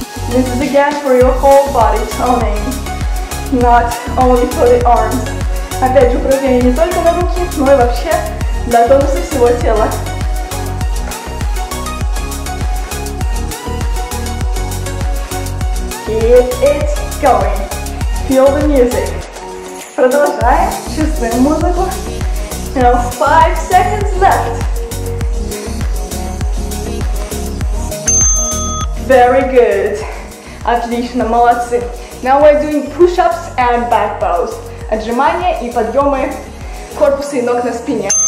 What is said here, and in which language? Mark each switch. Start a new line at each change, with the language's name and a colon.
English: This is again for your whole body toning, not only for the arms.
Russian: Опять же, упражнение не только на руки, но и вообще для тонуса всего тела.
English: Keep it going. Feel the music.
Russian: Продолжай, чувствуем музыку.
English: Now 5 seconds left. Very good.
Russian: Отлично, молодцы.
English: Now we're doing push-ups and back bows.
Russian: Отжимания и подъемы корпуса и ног на спине.